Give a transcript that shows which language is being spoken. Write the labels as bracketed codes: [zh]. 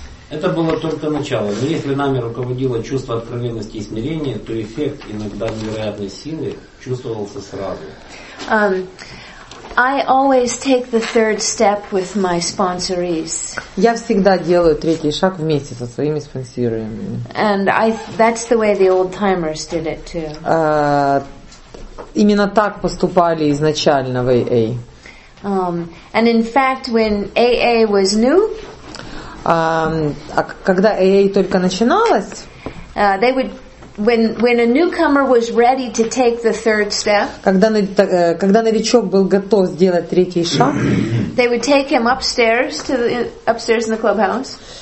[ru] Это было только начало, но если нами руководило чувство откровенности и смирения, то эффект иногда невероятной силы чувствовался сразу. [en] I always take the third step with my sponsorees. [ru] Я всегда делаю третий шаг вместе со своими спонсорами. [en] And that's the way the old timers did it too. [ru] Именно так поступали изначально в AA. [en] And in fact, when AA was new, [ru] а когда AA только начиналось, [en] they would when a newcomer was ready to take the third step, [ru] когда новичок был готов сделать третий шаг, [en] they would take him upstairs in the clubhouse.